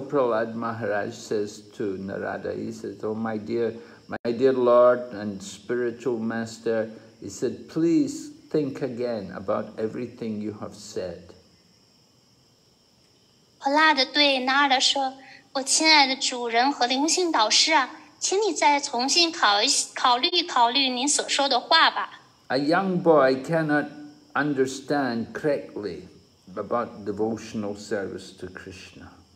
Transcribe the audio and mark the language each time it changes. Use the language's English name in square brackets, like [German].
[English] Prahlad Maharaj says to Narada, he says, "Oh my dear Lord and spiritual master," he said, "please think again about everything you have said." [Chinese] Prahlad 对Narada说。我亲爱的主人和灵性导师啊，请你再重新考虑您所说的话吧。 [English] A young boy cannot understand correctly about devotional service to Krishna.